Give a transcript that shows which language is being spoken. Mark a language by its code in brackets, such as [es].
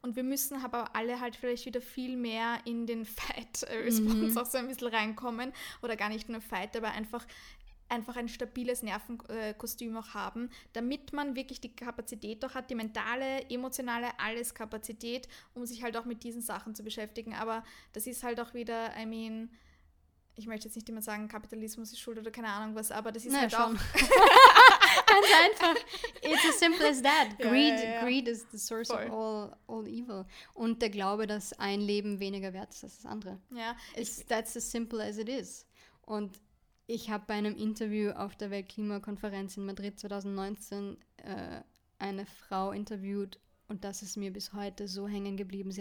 [de] Und wir müssen aber alle halt vielleicht wieder viel mehr in den Fight-Response auch so ein bisschen reinkommen oder gar nicht nur Fight, aber einfach ein stabiles Nervenkostüm auch haben, damit man wirklich die Kapazität doch hat, die mentale, emotionale, alles Kapazität, um sich halt auch mit diesen Sachen zu beschäftigen. Aber das ist halt auch wieder, ich möchte jetzt nicht immer sagen, Kapitalismus ist schuld oder keine Ahnung was, aber das ist auch... Ganz einfach. [en] It's as simple as that. Greed is the source of all evil. [de] Und der Glaube, dass ein Leben weniger wert ist als das andere. Ja. [en] That's as simple as it is. [de] Und ich habe bei einem Interview auf der Weltklimakonferenz in Madrid 2019 eine Frau interviewt und das ist mir bis heute so hängen geblieben.